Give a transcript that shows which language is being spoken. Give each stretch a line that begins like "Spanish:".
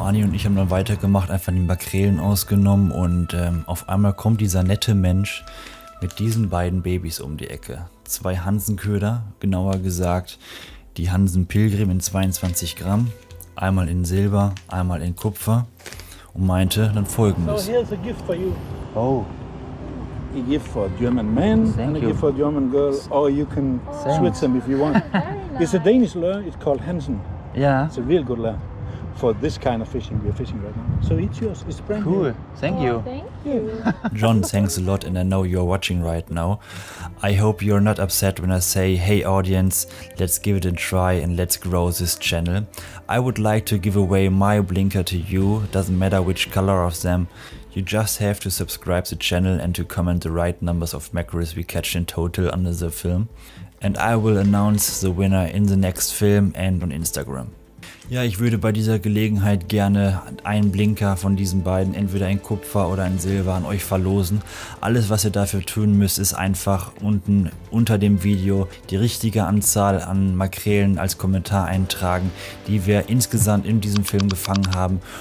German: Anni und ich haben dann weitergemacht, einfach die Makrelen ausgenommen und auf einmal kommt dieser nette Mensch mit diesen beiden Babys um die Ecke. Zwei Hansenköder, genauer gesagt die Hansen Pilgrim in 22 Gramm, einmal in Silber, einmal in Kupfer, und meinte dann folgendes.
English: So, here's a gift for you. Oh. A gift for a German man, thank and you. A gift for a German girl, or you can switch them if you want. Very nice. It's a Danish lure, it's called Hansen. Yeah. It's a real good lure. For this kind of fishing we are fishing right now. So it's yours, it's brand cool. New. Cool, thank you. John, thanks a lot, and I know you're watching right now. I hope you're not upset when I say, hey audience, let's give it a try and let's grow this channel. I would like to give away my blinker to you, doesn't matter which color of them. You just have to subscribe the channel and to comment the right numbers of macros we catch in total under the film. And I will announce the winner in the next film and on Instagram.
German: Ja, ich würde bei dieser Gelegenheit gerne einen Blinker von diesen beiden, entweder in Kupfer oder in Silber, an euch verlosen. Alles, was ihr dafür tun müsst, ist einfach unten unter dem Video die richtige Anzahl an Makrelen als Kommentar eintragen, die wir insgesamt in diesem Film gefangen haben.